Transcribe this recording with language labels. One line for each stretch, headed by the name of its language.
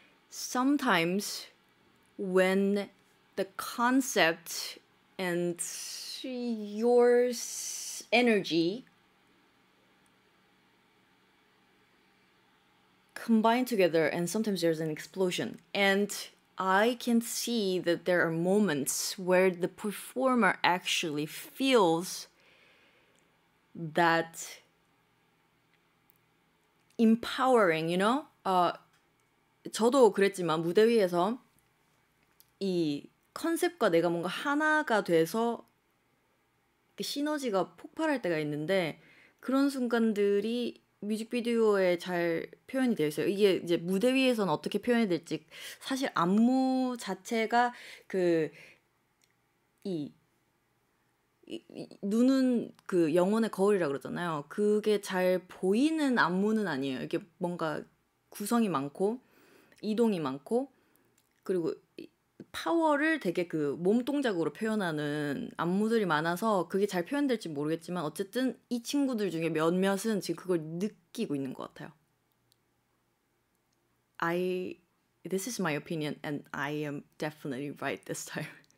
English: Sometimes when the concept and your energy combine together, and sometimes there's an explosion. And I can see that there are moments where the performer actually feels that empowering, you know?
Korean: 저도 그랬지만 무대 위에서 이 컨셉과 내가 뭔가 하나가 돼서 시너지가 폭발할 때가 있는데 그런 순간들이 뮤직비디오에 잘 표현이 되어 있어요. 이게 이제 무대 위에서는 어떻게 표현이 될지 사실 안무 자체가 그 이 눈은 그 영혼의 거울이라고 그러잖아요. 그게 잘 보이는 안무는 아니에요. 이게 뭔가 구성이 많고 이동이 많고 그리고 파워를 되게 그 몸 동작으로 표현하는 안무들이 많아서 그게 잘 표현될지 모르겠지만 어쨌든 이 친구들 중에 몇몇은 지금 그걸 느끼고 있는 것 같아요.
English: This is my opinion and I am definitely right this time.